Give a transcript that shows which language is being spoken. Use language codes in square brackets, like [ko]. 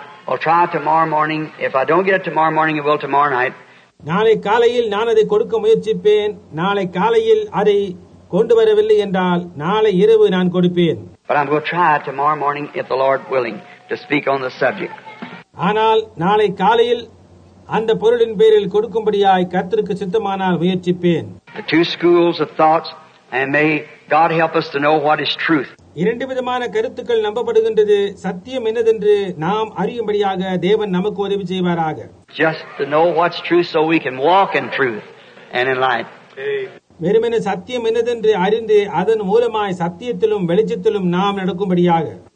[en] I'll try tomorrow morning. If I don't get it tomorrow morning, I will tomorrow night. [ta] நாளை காலையில் நான் அதை கொடுக்க முயற்சிப்பேன். நாளை காலையில் அதை கொண்டு வரவில்லை என்றால் நாளை இரவு நான் கொடுப்பேன். [en] But I'm going to try tomorrow morning, if the Lord willing, to speak on the subject. [ta] ஆனால் நாளை காலையில் அந்த பொருளின் பேரில் கொடுக்கும்படியாய் கர்த்தருக்கு சித்தமானால் முயற்சிப்பேன். [en] The two schools of thoughts, and may God help us to know what is truth. [ta] இரண்டு விதமான கருத்துக்கள் நம்பப்படுகின்றது. சத்தியம் என்னதென்று நாம் அறியும்படியாக தேவன் நமக்கு உதவி செய்வாராக. [en] Just to know what's true so we can walk in truth and in light. [ta] வெறுமென சத்தியம் என்னதென்று அறிந்து அதன் மூலமாய் சத்தியத்திலும் வெளிச்சத்திலும் நாம் நடக்கும்படியாக.